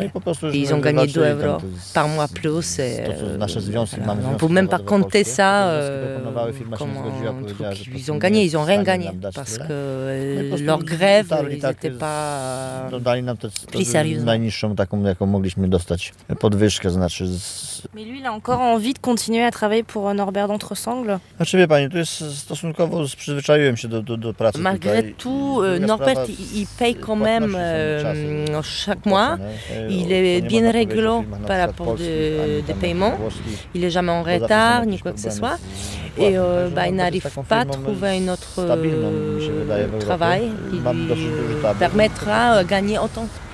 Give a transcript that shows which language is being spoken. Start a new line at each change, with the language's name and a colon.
Polish: No i po prostu
French: ils ont gagné 2 euros par mois plus et
Polish: nasze związki voilà. Mamy
French: on peut même pas compter ça comment ils ont gagné, ils ont rien gagné parce que leur grève n'était pas
Polish: dodali nam to najniższą taką jaką mogliśmy dostać podwyżkę, znaczy.
French: Mais lui il a encore envie de continuer à travailler pour Norbert d'Entresangles?
Polish: Znaczy wie pani, to jest stosunkowo, przyzwyczaiłem się do
French: malgré tout, Norbert, il paye quand même chaque mois. Il est bien réglo par rapport des paiements. Il n'est jamais en retard, ni quoi que ce soit. Et il n'arrive pas à trouver un autre travail qui lui permettra de gagner autant.